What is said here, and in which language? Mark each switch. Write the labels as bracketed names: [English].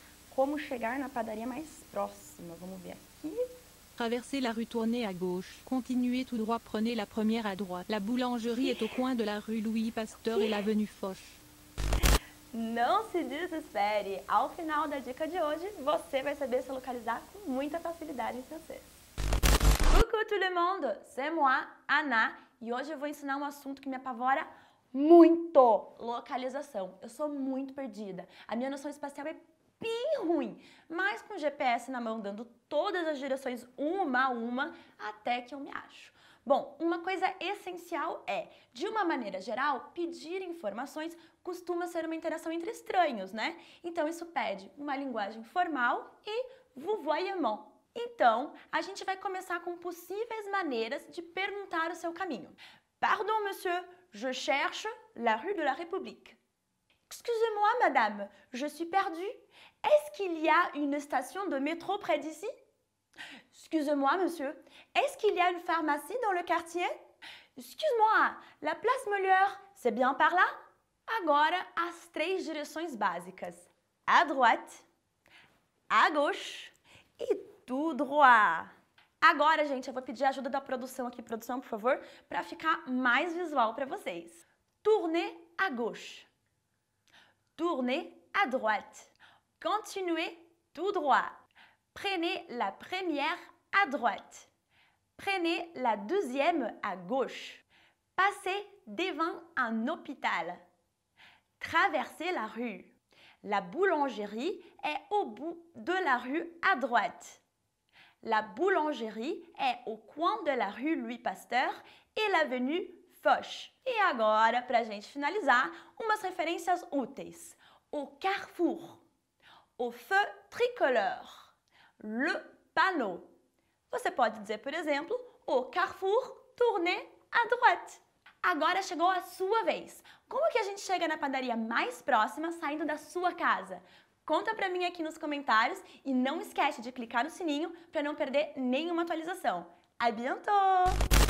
[Portuguese] Como chegar na padaria mais próxima? Vamos ver aqui. [French] Traversez la rue, tournez à gauche. Continuez tout droit, prenez la première à droite. La boulangerie est au coin de la rue Louis Pasteur et l'avenue Foch. [Portuguese] Não se desespere. Ao final da dica de hoje, você vai saber se localizar com muita facilidade em francês. [French] Coucou tout le monde, c'est moi, Ana. [Portuguese] E hoje eu vou ensinar um assunto que me apavora muito. Localização. Eu sou muito perdida. A minha noção espacial é bem ruim, mas com o GPS na mão dando todas as direções uma a uma, até que eu me acho. Bom, uma coisa essencial é, de uma maneira geral, pedir informações costuma ser uma interação entre estranhos, né? Então isso pede uma linguagem formal e vouvoiement. Então, a gente vai começar com possíveis maneiras de perguntar o seu caminho. [French] Pardon, monsieur, je cherche la rue de la République. Excusez-moi, madame, je suis perdue. Est-ce qu'il y a une station de métro près d'ici? Excusez-moi, monsieur, est-ce qu'il y a une pharmacie dans le quartier? Excuse-moi, la place Molière, c'est bien par là? [Portuguese] Agora, as três direções básicas. [French] À droite, à gauche e tout droit. [Portuguese] Agora, gente, eu vou pedir ajuda da produção aqui. Produção, por favor, para ficar mais visual para vocês. [French] Tournez à gauche. Tournez à droite. Continuez tout droit. Prenez la première à droite. Prenez la deuxième à gauche. Passez devant un hôpital. Traversez la rue. La boulangerie est au bout de la rue à droite. La boulangerie est au coin de la rue Louis Pasteur et l'avenue Foch. [Portuguese] Et agora, pra gente finalizar, umas referências úteis. [French] Au carrefour, au feu tricolore, le panneau. [Portuguese] Você pode dizer, por exemplo, [French] au carrefour, tournez à droite. [Portuguese] Agora chegou a sua vez. Como que a gente chega na padaria mais próxima saindo da sua casa? Conta pra mim aqui nos comentários e não esquece de clicar no sininho para não perder nenhuma atualização. [French] À bientôt!